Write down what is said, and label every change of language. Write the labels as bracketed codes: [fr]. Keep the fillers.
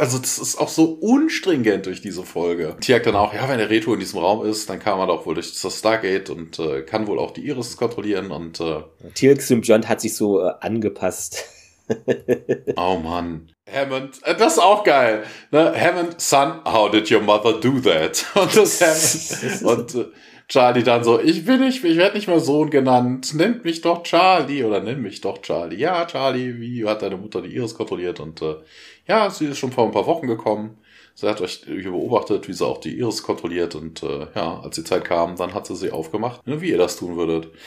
[de] Also das ist auch so unstringent durch diese Folge. Tiak dann auch, ja, wenn der Reto in diesem Raum ist, dann kann man doch wohl durch das Stargate und äh, kann wohl auch die Iris kontrollieren und... Äh, Tiak John hat sich so äh, angepasst. oh Mann. Hammond, das ist auch geil. Ne? [en] Hammond, son, how did your mother do that? [de] und das Hammond, und... Äh, Charlie dann so, ich bin nicht, ich werde nicht mehr Sohn genannt, nennt mich doch Charlie oder nimm mich doch Charlie. Ja, Charlie, wie hat deine Mutter die Iris kontrolliert? Und äh, ja, sie ist schon vor ein paar Wochen gekommen. Sie hat euch ich, ich beobachtet, wie sie auch die Iris kontrolliert. Und äh, ja, als die Zeit kam, dann hat sie sie aufgemacht, wie ihr das tun würdet.